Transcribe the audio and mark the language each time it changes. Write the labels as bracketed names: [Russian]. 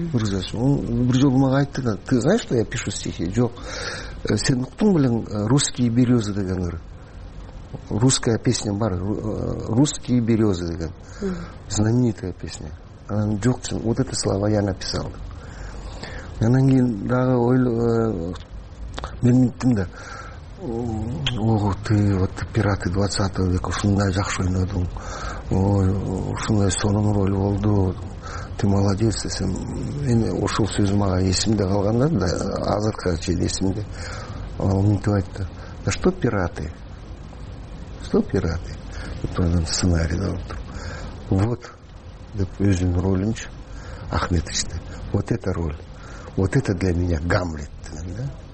[Kyrgyz] Бир жолу мага айтты да: [Russian] ты знаешь, что я пишу стихи? [Kyrgyz] Жок. Сен уктуң беле русские березы деген ыр. Русская песня бар, русские березы деген. [Russian] Знаменитая песня. [Kyrgyz] Анан жок, [Russian] вот это слова я написал. [Kyrgyz] Анан кийин дагы мен минтим да: [Russian] ого, ты вот пираты 20 века [Kyrgyz] ушундай жакшы ойнодуң, ой ушундай сонун роль болду, [Russian] ты молодец [Kyrgyz] десем, эми ошол сөзү мага эсимде калганда да, азыркыга чейин эсимде. Ал мынтип айтты: [Russian] да что пираты, что пираты, [Kyrgyz] анан сценарийде отуруп вот деп өзүнүн ролунчу Ахметовичти, [Russian] вот это роль, вот это для меня Гамлет [Kyrgyz] деген да.